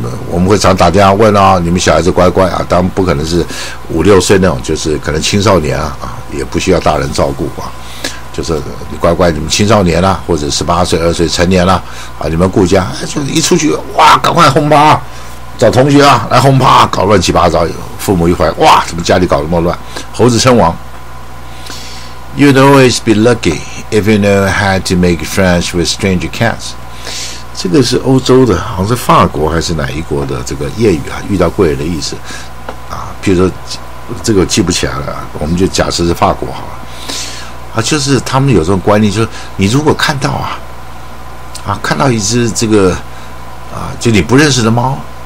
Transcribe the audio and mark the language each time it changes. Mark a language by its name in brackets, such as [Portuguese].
[Chinese] 我们会常打电话问哦，你们小孩子乖乖啊，当然不可能是五六岁那种，就是可能青少年啊，也不需要大人照顾啊，就是你乖乖，你们青少年啦、啊、或者十八岁二十岁成年啦 啊你们顾家、哎、就一出去哇赶快轰趴找同学啊，来轰趴，搞乱七八糟。父母一回来，哇，怎么家里搞那么乱？猴子称王。 [English] You'd always be lucky if you know how to make friends with strange cats。 [Chinese] 这个是欧洲的，好像是法国还是哪一国的这个谚语啊？遇到贵人的意思啊。譬如说，这个记不起来了，我们就假设是法国好了。啊，就是他们有这种观念，就是你如果看到啊，看到一只这个啊，就你不认识的猫。